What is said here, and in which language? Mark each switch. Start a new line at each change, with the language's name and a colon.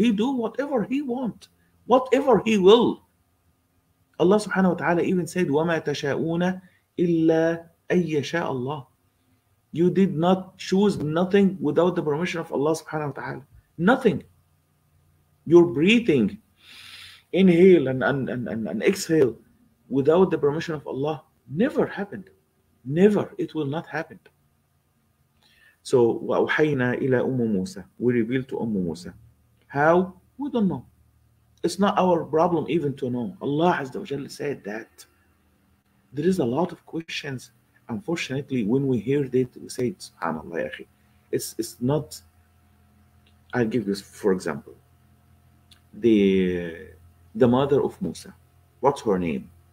English: He do whatever he want, whatever he will. Allah subhanahu wa ta'ala even said,
Arabic: وَمَا تَشَاءُونَ إِلَّا أَيَّشَاءَ اللَّهُ.
English: You did not choose nothing without the permission of Allah subhanahu wa ta'ala. Nothing. You're breathing, inhale and exhale without the permission of Allah. Never happened. Never. It will not happen.
Arabic: So, وَأَوْحَيْنَا إِلَىٰ أُمُّ مُوسَى.
English: We revealed to Umm Musa. How? We don't know. It's not our problem even to know. Allah Azza wa Jalla said that. There is a lot of questions. Unfortunately, when we hear that, we say, subhanAllah, yaakhi. It's not... I'll give this for example. The mother of Musa, what's her name?